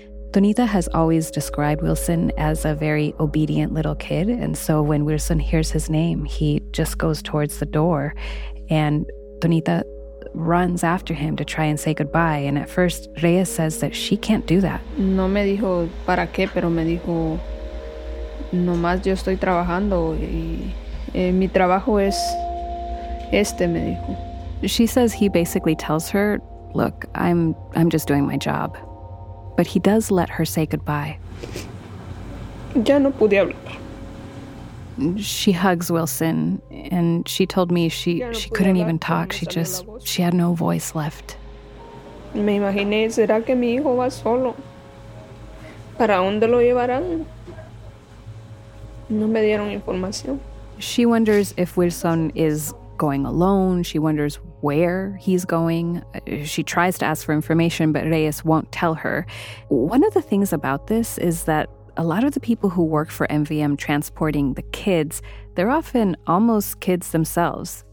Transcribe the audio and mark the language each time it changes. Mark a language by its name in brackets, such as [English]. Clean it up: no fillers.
[English] Tonita has always described Wilson as a very obedient little kid. And so when Wilson hears his name, he just goes towards the door. And Tonita runs after him to try and say goodbye. And at first, Reyes says that she can't do that. [Spanish] No me dijo para qué, pero me dijo, nomás yo estoy trabajando y mi trabajo es... Este me dijo. [English] She says he basically tells her, look, I'm just doing my job. But he does let her say goodbye. [Spanish] Ya no pude hablar. [English] She hugs Wilson, and she told me she couldn't even talk. She had no voice left. [Spanish] Me imaginé, ¿será que mi hijo va solo? ¿Para dónde lo llevarán? No me dieron información. [English] She wonders if Wilson is... going alone. She wonders where he's going. She tries to ask for information, but Reyes won't tell her. One of the things about this is that a lot of the people who work for MVM transporting the kids, they're often almost kids themselves.